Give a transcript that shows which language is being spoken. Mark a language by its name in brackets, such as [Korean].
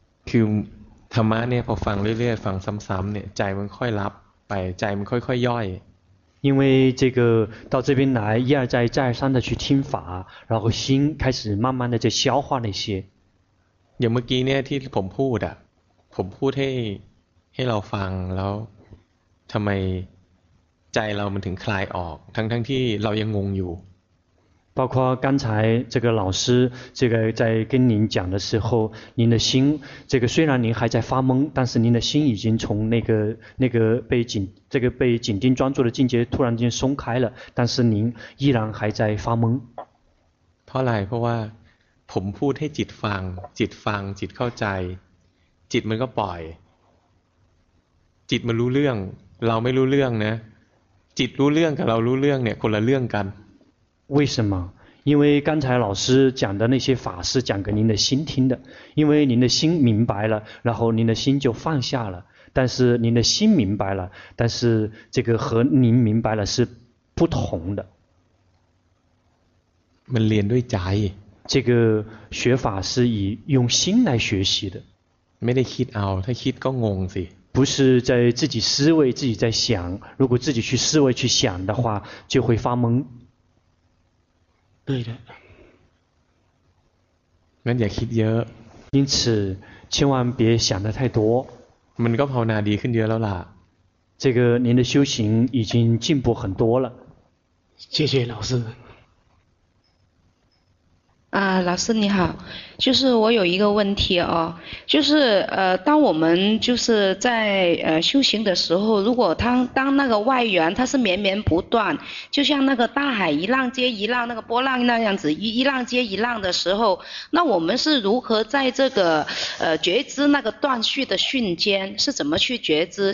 [Chinese] 就他妈呢我放了列放三三呢在门快拉ไปใจมันค่อยค่อยย่อย 因为这个到这边来一而再再而三的去听法然后心开始慢慢的在消化那些 [Thai] อย่างเมื่อกี้เนี่ยที่ผมพูดอ่ะผมพูดให้เราฟังแล้วทำไมใจเรามันถึงคลายออกทั้งที่เรายังงงอยู่ [Chinese] 包括刚才这个老师这个在跟您讲的时候您的心这个虽然您还在发懵但是您的心已经从那个被紧盯专注的境界突然间松开了但是您依然还在发懵 [Thai] เพราะอะไรเพราะว่าผมพูดให้จิตฟังจิตเข้าใจจิตมันก็ปล่อยจิตมันรู้เรื่องเราไม่รู้เรื่องนะจิตรู้เรื่องกับเรารู้เรื่องเนี่ยคนละเรื่องกัน [Chinese] 为什么因为刚才老师讲的那些法是讲给您的心听的因为您的心明白了然后您的心就放下了但是您的心明白了但是这个和您明白了是不同的 [Thai] มันเรียนด้วยใจ [Chinese] 这个学法是以用心来学习的 [Thai] ไม่ได้คิดเอาถ้าคิดก็งงสิ [Chinese] 不是在自己思维自己在想如果自己去思维去想的话就会发懵对的 [Thai] งั้นอย่าคิดเยอะ [Chinese] 因此千万别想得太多 [Thai] มันก็ภาวนาดีขึ้นเยอะแล้วล่ะ [Chinese] 这个您的修行已经进步很多了谢谢老师啊，老师你好，就是我有一个问题哦，就是当我们就是在修行的时候，如果当那个外缘它是绵绵不断，就像那个大海一浪接一浪，那个波浪那样子一浪接一浪的时候，那我们是如何在这个觉知那个断续的瞬间是怎么去觉知？